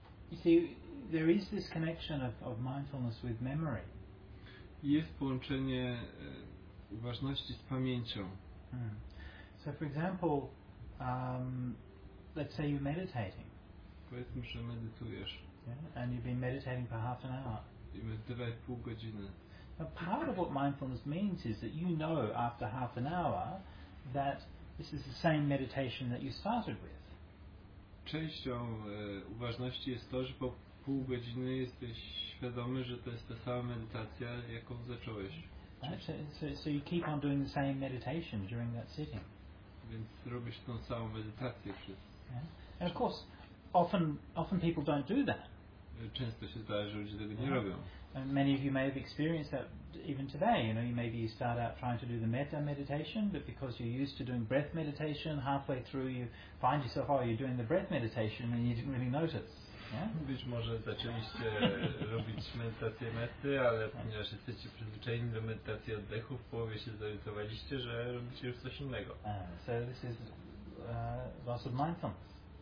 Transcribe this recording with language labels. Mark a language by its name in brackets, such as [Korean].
[English] You see, there is this connection of mindfulness with memory. [Polish] Jest połączenie uważności z pamięcią. [English] So for example, let's say you're meditating. [Polish] Powiedzmy, że medytujesz. [English] Yeah? And you've been meditating for half an hour. [Polish] I medytowałeś pół godziny. [English] Now part of what mindfulness means is that you know after half an hour that this is the same meditation that you started with. [Polish] Częścią uważności jest to, że po pół godziny jesteś świadomy, że to jest ta sama medytacja, jaką zacząłeś. [English] So you keep on doing the same meditation during that sitting. [Polish] Więc robisz tą samą medytację przez. [English] And of course, often people don't do that. [Polish] Często się zdaje, że ludzie tego nie robią. [English] And many of you may have experienced that even today. You know, maybe you start out trying to do the metta meditation, but because you're used to doing breath meditation, halfway through you find yourself, oh, you're doing the breath meditation and you didn't really notice. Yeah? [Polish] Być może zaczęliście robić medytację metty, ale ponieważ jesteście przyzwyczajeni do medytacji oddechu, w połowie się zorientowaliście, że robicie już coś innego. [English] So this is loss of mindfulness.